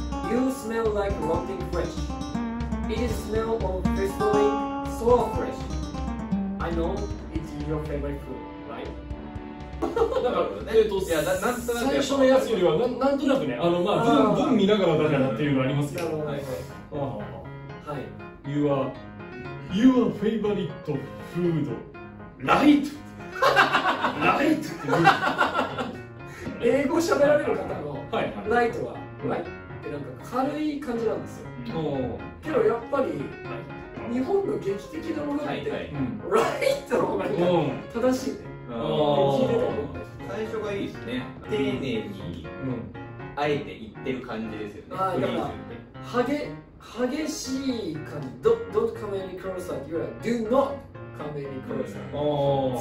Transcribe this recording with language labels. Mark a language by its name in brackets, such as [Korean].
[English] You smell like rotting flesh. It is smell of festering sour flesh. I know it's your favorite food, right? [Japanese] だから、いや、なんとなく最初のやつよりは、なんとなくね、まあ、文見ながらだからっていうのありますけど、なるほど、はい、はい、はい。 [English] Your favorite food, right? Right? [Japanese] 英語喋られる方の、はい、 Right は、Right ってなんか軽い感じなんですよ。うん、けどやっぱり、はい、日本の劇的なものって、はいはい、 Right の方が正しい。うん、最初がいいですね。丁寧に、うん、あえて言ってる感じですよね。あ、激しい感じ。 [English] Don't come any closer [Japanese] って言うから、 [English] Do not come any closer。